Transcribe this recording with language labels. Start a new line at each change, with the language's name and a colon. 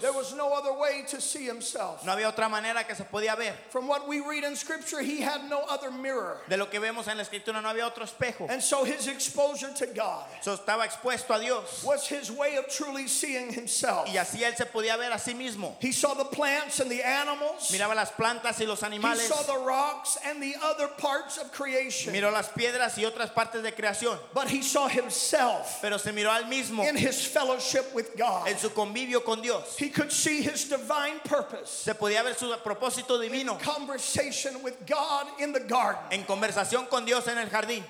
English: There was no other way to see himself.
Spanish: No había otra manera que se podía ver.
English: From what we read in Scripture, he had no other mirror.
Spanish: De lo que vemos en la Escritura, no había otro espejo.
English: And so his exposure to God,
Spanish: so estaba expuesto a Dios,
English: was his way of truly seeing himself.
Spanish: Y así él se podía ver a sí mismo.
English: He saw the plants and the animals.
Spanish: Miraba las plantas y los animales.
English: He saw the rocks and the other parts of creation.
Spanish: Miró las piedras y otras partes de creación.
English: But he saw himself.
Spanish: Pero se miró al mismo.
English: In his fellowship with God.
Spanish: En su convivio con Dios.
English: He could see his divine purpose.
Spanish: Se podía ver su propósito divino.
English: In conversation with God in the garden.
Spanish: En conversación con Dios en el jardín.